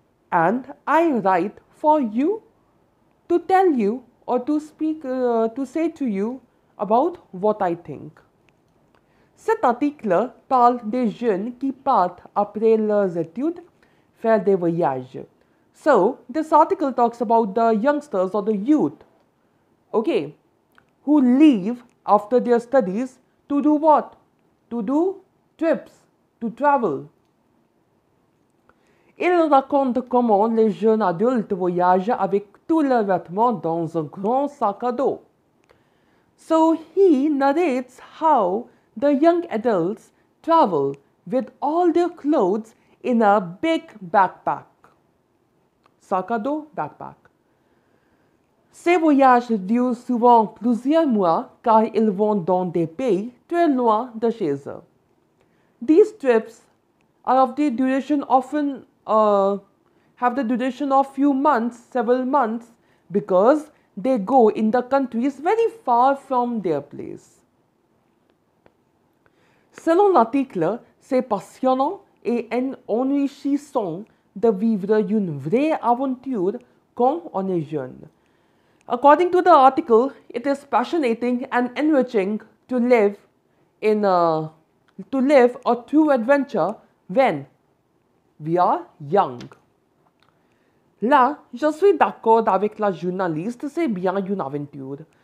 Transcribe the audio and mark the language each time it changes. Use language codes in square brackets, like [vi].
[en] And I write for you to tell you or to speak, to say to you about what I think. [fr] Cet article parle des jeunes qui partent après leurs études faire des voyages. [en] So, this article talks about the youngsters or the youth, okay, who leave after their studies to do what? To do trips, to travel. [fr] Il raconte comment les jeunes adultes voyagent avec tous leurs vêtements dans un grand sac à dos. [en] So he narrates how the young adults travel with all their clothes in a big backpack. Sakado backpack. [fr] Ces voyages durent souvent plusieurs mois car ils vont dans des pays très loin de chez eux. [en] These trips are of the duration often have the duration of few months, several months, because they go in the countries very far from their place. [fr] Selon l'article, c'est passionnant et enrichissant de vivre une vraie aventure quand on est jeune. [en] According to the article, it is passionating and enriching to live a true adventure when we are young. [fr] Là, je suis d'accord avec la journaliste, c'est bien une aventure.